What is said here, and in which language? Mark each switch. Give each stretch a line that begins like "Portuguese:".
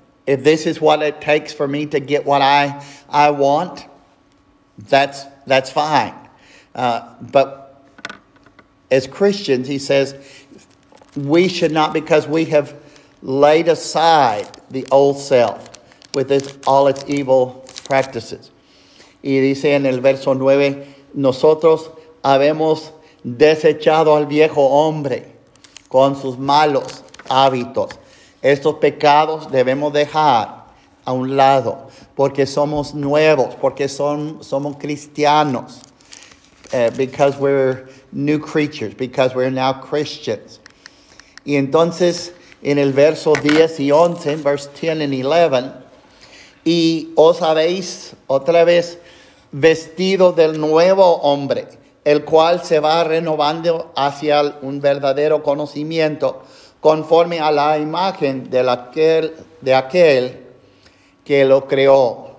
English: If this is what it takes for me to get what I want, that's fine. But as Christians, he says, we should not, because we have laid aside the old self with all its evil practices.
Spanish: Y dice en el verso 9, nosotros habemos desechado al viejo hombre con sus malos hábitos. Estos pecados debemos dejar a un lado porque somos nuevos, porque somos cristianos.
English: Because we're new creatures, because we're now Christians.
Spanish: Y entonces, en el verso 10 y 11,
English: verse 10 and 11,
Spanish: y os habéis otra vez vestido del nuevo hombre, el cual se va renovando hacia un verdadero conocimiento, conforme a la imagen de aquel que lo creó.